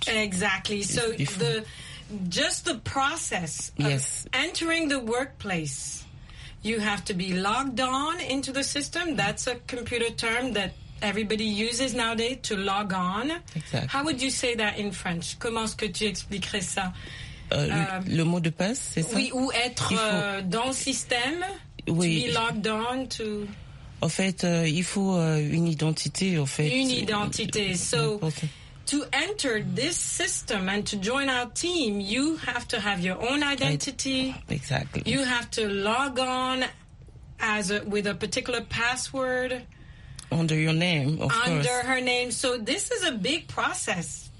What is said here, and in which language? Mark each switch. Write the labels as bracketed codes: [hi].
[en] Exactly. So the process of yes. entering the workplace, you have to be logged on into the system. That's a computer term that everybody uses nowadays, to log on. Exactly. How would you say that in French? [fr] Comment est-ce que tu expliquerais ça? Le mot de passe, c'est ça? Oui, ou être dans le système, oui. [en] To be logged on to... [fr] En fait, il faut une identité, en fait. Une identité. [en] So, to enter this system and to join our team, you have to have your own identity. Exactly. You have to log on with a particular password. Under your name, of under course. Under her name. So this is a big process.